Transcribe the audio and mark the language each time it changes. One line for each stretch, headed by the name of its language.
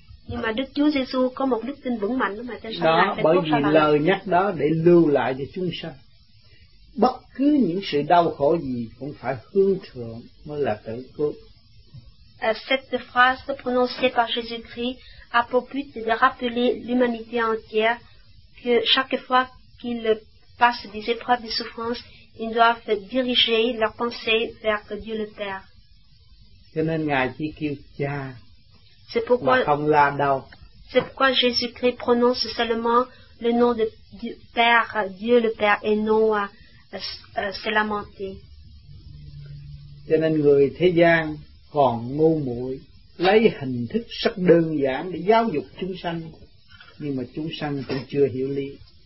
Vietnamese: Nhưng mà Đức Chúa Giê-xu có một đức tin vững mạnh mà tên sao lại phải có lời nhắc đó để lưu lại cho chúng sanh. Bất cứ những sự đau khổ gì cũng phải hướng thượng mới là tự cứu.
French: Cette phrase prononcée par Jésus-Christ a pour but de rappeler l'humanité entière que chaque fois qu'il passe des épreuves de souffrance, ils doivent diriger leurs pensées vers Dieu le Père.
Vietnamese: Cho nên Ngài chỉ kêu cha,
French: c'est pourquoi,
Vietnamese: mà không la đâu.
French: C'est pourquoi Jésus-Christ prononce seulement le nom de Dieu, Père, Dieu le Père, et non se lamenter.
Vietnamese: Cho nên người thế gian còn ngu muội, lấy hình thức rất đơn giản để giáo dục chúng sanh, nhưng mà chúng sanh cũng chưa hiểu lý.